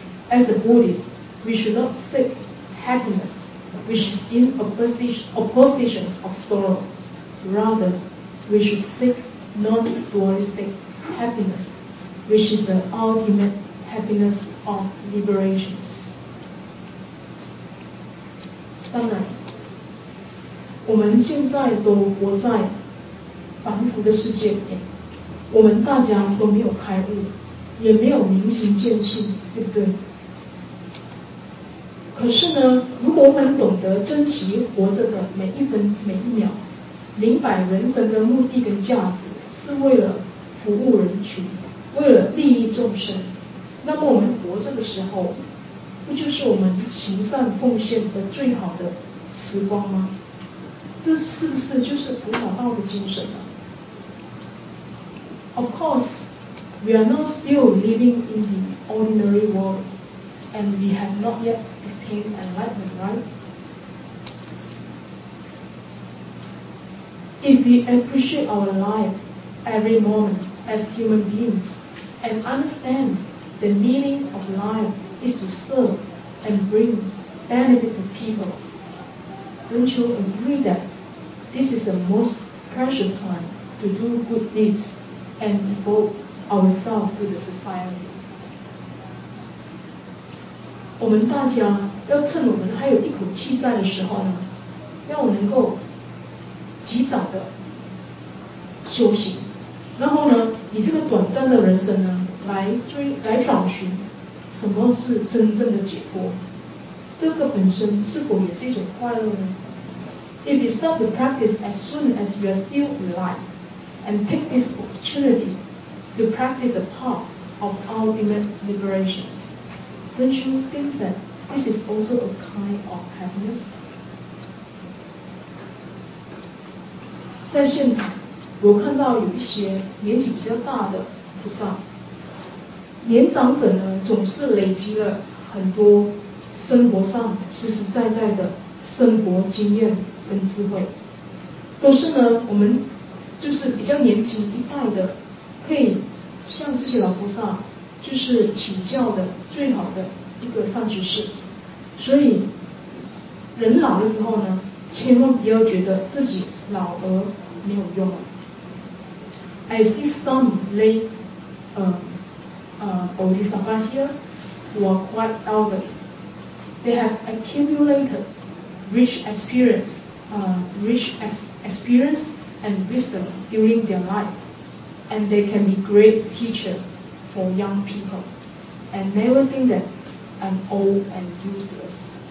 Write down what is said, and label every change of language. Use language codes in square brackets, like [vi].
[en] As a Buddhist, we should not seek happiness, which is in opposition of sorrow. Rather, we should seek non-dualistic happiness, which is the ultimate happiness of liberation. [zh] 当然，我们现在都活在凡夫的世界里面，我们大家都没有开悟，也没有明心见性，对不对？可是呢，如果我们懂得珍惜活着的每一分每一秒，明白人生的目的跟价值是为了服务人群，为了利益众生，那么我们活着的时候，不就是我们行善奉献的最好的时光吗？这是不是就是菩萨道的精神呢？ [en] Of course, we are not still living in the ordinary world, and we have not yet attained enlightenment, right? If we appreciate our life every moment as human beings and understand the meaning of life is to serve and bring benefit to people, don't you agree that this is the most precious time to do good deeds and devote ourselves to the society? [zh] 我们大家要趁我们还有一口气在的时候呢，要能够及早的修行，然后呢，以这个短暂的人生呢，来找寻什么是真正的解脱。这个本身是否也是一种快乐呢？ [en] If we start to practice as soon as we are still alive, and take this opportunity to practice the path of ultimate liberations, don't you think that this is also a kind of happiness? [zh] 在现场，我看到有一些年纪比较大的菩萨，年长者呢总是累积了很多生活上实实在在的生活经验跟智慧，都是呢我们就是比较年轻一代的可以向这些老菩萨就是请教的最好的一个善知识。所以人老的时候呢，千万不要觉得自己老而没有用。 [en] I see some late Bodhisattva here who are quite elderly. They have accumulated rich experience and wisdom during their life, and they can be great teacher for young people, and never think that I'm old and useless.